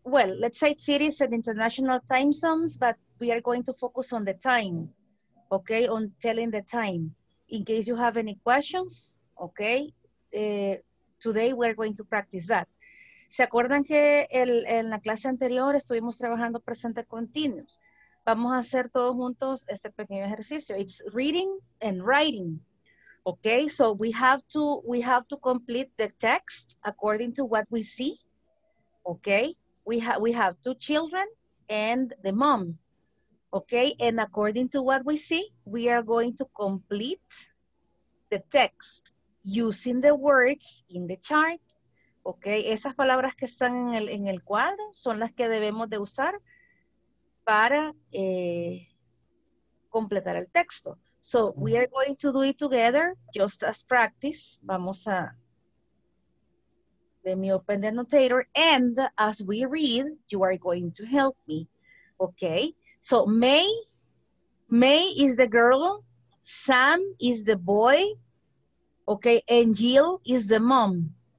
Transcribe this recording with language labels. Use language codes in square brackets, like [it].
[en] Well, let's say cities and international time zones, but we are going to focus on the time. Ok, on telling the time. In case you have any questions, ok, today we are going to practice that. [es] ¿Se acuerdan que en la clase anterior estuvimos trabajando presente continuo? Vamos a hacer todos juntos este pequeño ejercicio. [en] It's reading and writing. Okay, so we have to complete the text according to what we see. Okay, we have two children and the mom. Okay, and according to what we see, we are going to complete the text using the words in the chart. [es] Ok, esas palabras que están en el cuadro son las que debemos de usar para completar el texto. [en] So, we are going to do it together, just as practice. [es] Vamos a, [en] let me open the annotator, and as we read, you are going to help me. Ok, so May is the girl, Sam is the boy, ok, and Jill is the mom.